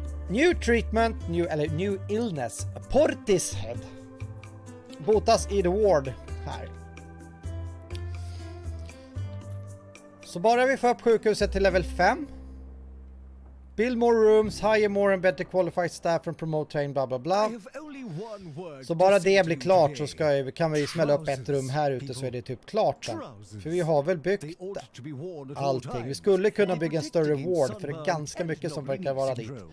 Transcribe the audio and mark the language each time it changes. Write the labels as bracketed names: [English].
[English] New treatment, new, eller new illness. Portishead. [Swedish] Botas i The Ward här. Så bara vi får upp sjukhuset till level 5. [English] Build more rooms, hire more and better qualified staff and promote train, bla bla bla. [Swedish] Så bara det blir klart så ska jag, kan vi smälla upp ett rum här ute så är det typ klart. Då. För vi har väl byggt allting. Vi skulle kunna bygga en större ward för det är ganska mycket som verkar vara dit.